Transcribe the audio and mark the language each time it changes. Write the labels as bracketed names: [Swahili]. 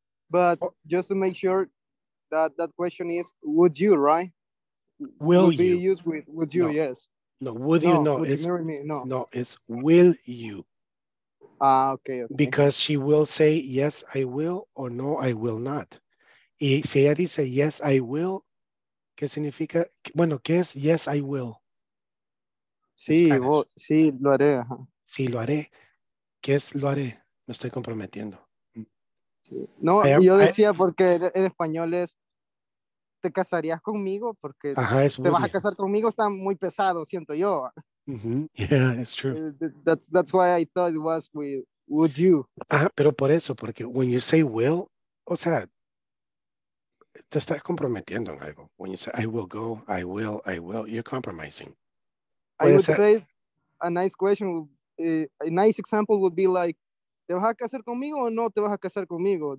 [English] But just to make sure that question is, would you, right? Will you? Would be used with, would you, no. Yes. No, would you, no. Would you marry me? No. No, it's will you. Okay. Because she will say, yes, I will, or no, I will not. [Spanish] Y si ella dice, [English] yes, I will, [Spanish] ¿qué significa? Bueno, ¿qué es? [English] Yes, I will. [Spanish] Sí, lo haré. Sí, lo haré. ¿Qué es lo haré? Me estoy comprometiendo. Sí. No, yo decía porque en español es, ¿te casarías conmigo? Porque ajá, te vas a casar conmigo, está muy pesado, siento yo. [English] Mm-hmm. Yeah, it's true. That's why I thought it was with, would you? [Spanish] Ajá, pero por eso, porque [English] when you say will, [Spanish] o sea, te estás comprometiendo en algo. [English] When you say, I will go, I will, you're compromising. I would say a nice question, a nice example would be like, [Spanish] ¿te vas a casar conmigo [English] o no te vas a casar conmigo?